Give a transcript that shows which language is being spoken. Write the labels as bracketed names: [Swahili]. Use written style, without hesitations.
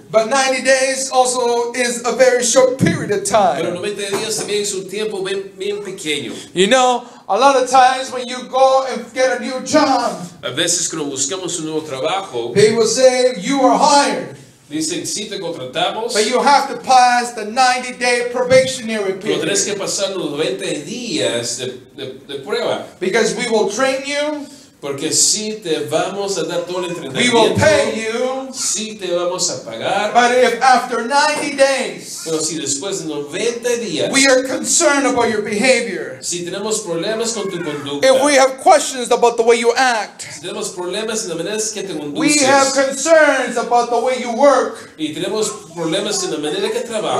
[English] But 90 days also is a very short period of time. [Spanish] Pero 90 días también es un tiempo bien, bien pequeño. [English] You know, a lot of times when you go and get a new job, [Spanish] a veces cuando buscamos un nuevo trabajo, [English] they will say you are hired. [Spanish] Dicen, sí te contratamos, [English] but you have to pass the 90-day probationary period. [Spanish] Pero tienes que pasar los 90 días de prueba. [English] Because we will train you. [Spanish] Porque sí te vamos a dar todo el entrenamiento. [English] We will pay you. [Spanish] Sí te vamos a pagar. [English] But if after 90 days, [Spanish] pero si después de 90 días, [English] we are concerned about your behavior. [Spanish] Si tenemos problemas con tu conducta. [English] If we have questions about the way you act. [Spanish] Si tenemos problemas en la manera que te conduces. [English] We have concerns about the way you work. [Spanish] Y tenemos problemas en la manera que trabajas.